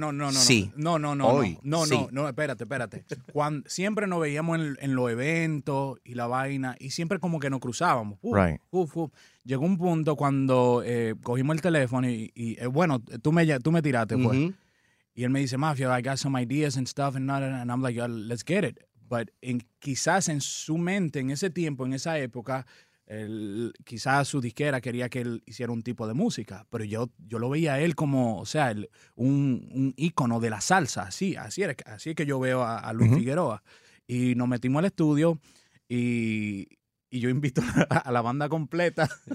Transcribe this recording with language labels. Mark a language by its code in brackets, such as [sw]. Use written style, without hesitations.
[es] Espérate. Cuando, siempre nos veíamos en los eventos y la vaina, y siempre como que nos cruzábamos. Llegó un punto cuando cogimos el teléfono y tú me tiraste, pues. Y él me dice, [en] Mafia, I got some ideas and stuff, and I'm like, let's get it. [es] But quizás en su mente, en ese tiempo, en esa época, quizás su disquera quería que él hiciera un tipo de música, pero yo lo veía a él como, o sea, un ícono de la salsa, así es que yo veo a Luis Figueroa. Y nos metimos al estudio y yo invito a la banda completa.